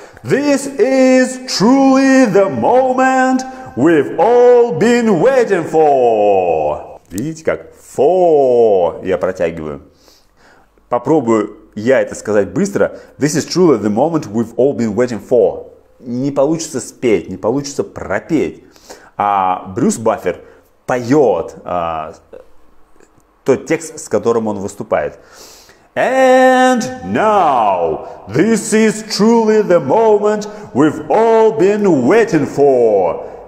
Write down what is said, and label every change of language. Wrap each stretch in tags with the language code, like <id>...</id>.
<en>This is truly the moment we've all been waiting for.</en> <ru>Видите, как for я протягиваю. Попробую я это сказать быстро.</ru> <en>This is truly the moment we've all been waiting for.</en> <ru>Не получится спеть, не получится пропеть. А Брюс Баффер поет тот текст, с которым он выступает.</ru> <en>And now, this is truly the moment we've all been waiting for.</en>